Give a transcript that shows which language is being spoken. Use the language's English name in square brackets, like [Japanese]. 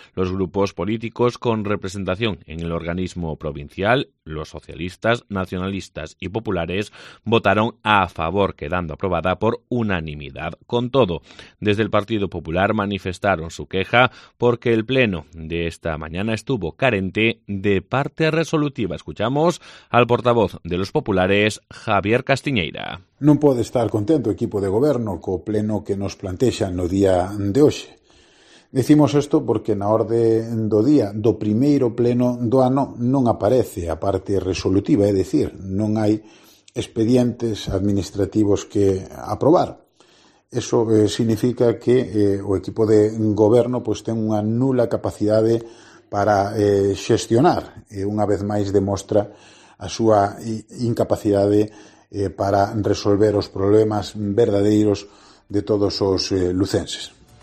[Spanish] Los grupos políticos con representación en el organismo provincial, los socialistas, nacionalistas y populares, votaron a favor, quedando aprobada por unanimidad. Con todo, desde el Partido Popular manifestaron su queja porque el pleno de esta mañana estuvo carente de parte resolutiva. Escuchamos al portavoz de los populares, Javier Castiñeira. [Galician] Non pode estar contento o equipo de goberno co pleno que nos plantexan no día de hoxe. Decimos isto porque na orde do día do primeiro pleno do ano non aparece a parte resolutiva, é dicir, non hai expedientes administrativos que aprobar. Eso significa que o equipo de goberno pois ten unha nula capacidade para xestionar, e unha vez máis demostra a súa incapacidade para resolver os problemas verdadeiros de todos os lucenses.